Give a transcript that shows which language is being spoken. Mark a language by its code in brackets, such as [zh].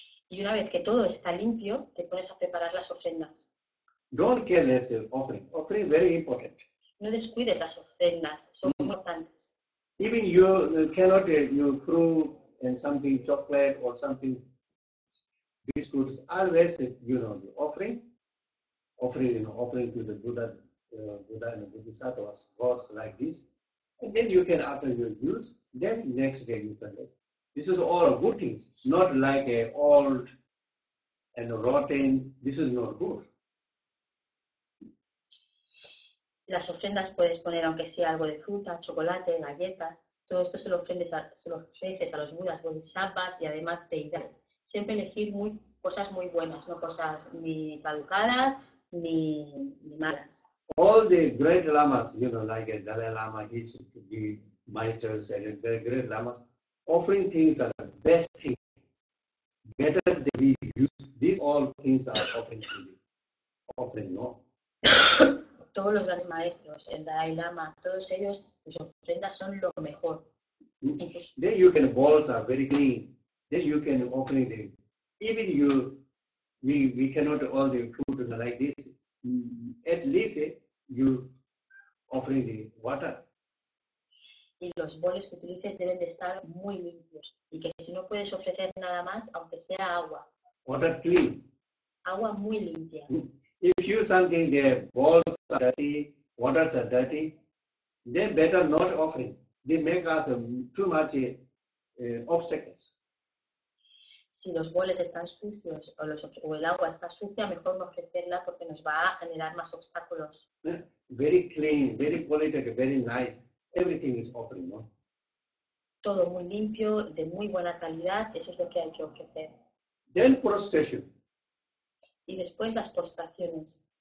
[es] Y una vez que todo está limpio, te pones a preparar las ofrendas. [en] Don't care less the offering. Offering very important. [es] No descuides las ofrendas, son importantes. [en] Even you cannot you throw in something chocolate or something biscuits. Always you know the offering. Offering to the Buddha, Buddha and Bodhisattva was like this, and then you can after your use, then next day you can use. This is all good things, not like a old and rotten. This is not good. [es] Las ofrendas puedes poner aunque sea algo de fruta, chocolate, galletas. Todo esto se lo ofreces a los Budas, Bodhisattvas y además deidades. Siempre elegir muy cosas muy buenas, no cosas ni caducadas. Ni malas. [en] All the great lamas, you know, like Dalai Lama, he's the maestros and the great lamas, offering things are the best things. Better than we use, these all things are offering, no? [es] Todos los grandes maestros, el Dalai Lama, todos ellos, sus ofrendas son lo mejor. [en] Then you can, bowls are very clean. Then you can open it. Even you, we cannot all the food like this. At least you offering the water. [es] Y los bowls que utilices deben de estar muy limpios. Y que si no puedes ofrecer nada más, aunque sea agua. [en] Water clean. [es] Agua muy limpia. [en] If you something the bowls are dirty, waters are dirty, then better not offering. They make us too much obstacles. [es] Si los bowls están sucios o el agua está sucia, mejor no ofrecerla porque nos va a generar más obstáculos. [en] Very clean, very polite, very nice. Everything is offering, no? [es] todo muy limpio, de muy buena calidad, eso es lo que hay que ofrecer. [en] Then prostration. [es] Y después las postraciones.